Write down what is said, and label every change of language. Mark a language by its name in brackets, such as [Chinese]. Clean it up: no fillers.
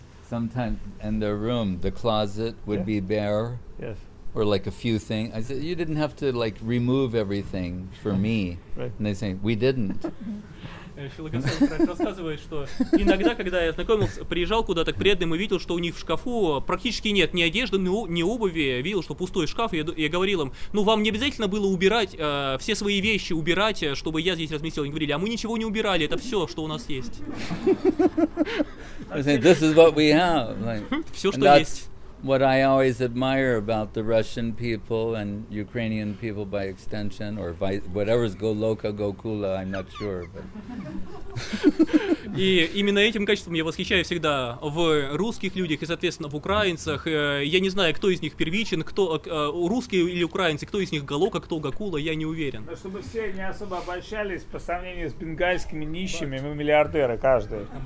[English] Sometimes in their room, the closet would be bare. Yes. or like a few things. I said, you didn't have to like remove everything for me. Right. And they say, we didn't. [Russian] Рассказывает, что иногда, когда я знакомился, приезжал куда-то к преданным и видел, что у них в шкафу практически нет ни одежды, ни обуви, видел, что пустой шкаф, и я говорил им, ну вам не обязательно было убирать все свои вещи, убирать, чтобы я здесь разместил. Они говорили, а мы ничего не убирали, это все, что у нас есть. [English] This is what we have. Like, [Russian] все, что есть. [English] What I always admire about the Russian people and Ukrainian people by extension, or whatever's go loca, go kula, I'm not sure, but... [Russian] И именно этим качеством я восхищаюсь всегда в русских людях и, соответственно, в украинцах. Я не знаю, кто из них первичен, кто русские или украинцы, кто из них галока, кто гакула, я не уверен. Но чтобы все не особо обольщались по сравнению с бенгальскими нищими, мы миллиардеры каждый.